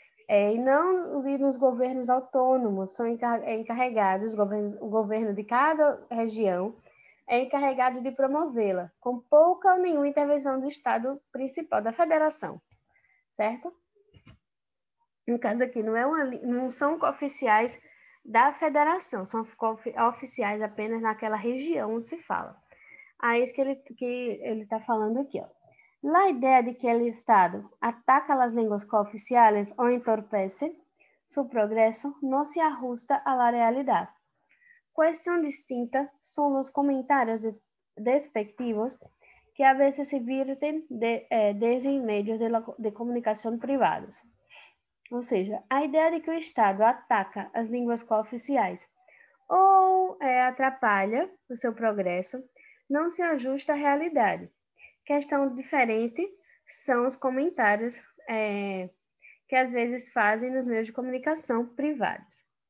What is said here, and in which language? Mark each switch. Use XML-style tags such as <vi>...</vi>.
<pt>E não nos governos autônomos, são encarregados, o governo de cada região é encarregado de promovê-la, com pouca ou nenhuma intervenção do Estado principal, da federação, certo? No caso aqui, não são oficiais da federação, são oficiais apenas naquela região onde se fala. Aí é isso que ele está falando aqui, ó.</pt> <es>La idea de que el Estado ataca las lenguas cooficiales o entorpece su progreso no se ajusta a la realidad. Cuestión distinta son los comentarios despectivos que a veces se vierten desde medios de comunicación privados.</es> <pt>Ou seja, a ideia de que o Estado ataca as línguas cooficiais ou atrapalha o seu progresso não se ajusta à realidade. Questão diferente são os comentários que às vezes fazem nos meios de comunicação privados.</pt>